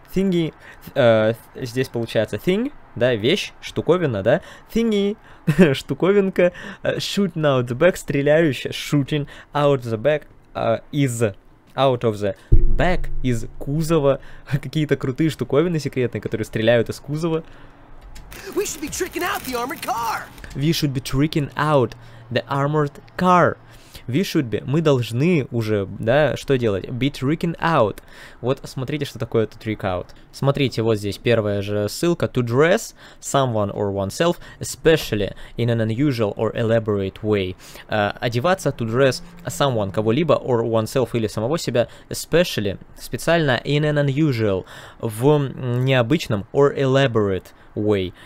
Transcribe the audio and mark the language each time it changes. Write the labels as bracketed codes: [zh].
[en] Thingy, [ru] здесь получается [en] thing, [ru] да, вещь, штуковина, да, [en] thingy, [ru] штуковинка, [en] shooting out the back, [ru] стреляющая, [en] shooting out the back, из out of the back, [ru] из кузова. Какие-то крутые штуковины секретные, которые стреляют из кузова. [en] We should be tricking out the armored car. We should be tricking out the armored car. We should be. [ru] Мы должны уже, да, что делать? [en] Be tricking out. [ru] Вот смотрите, что такое это [en] trick out. [ru] Смотрите, вот здесь первая же ссылка. [en] To dress someone or oneself, especially in an unusual or elaborate way. [ru] Одеваться, [en] to dress someone, [ru] кого-либо, [en] or oneself, [ru] или самого себя, [en] especially, [ru] специально, [en] in an unusual, [ru] в необычном, [en] or elaborate way.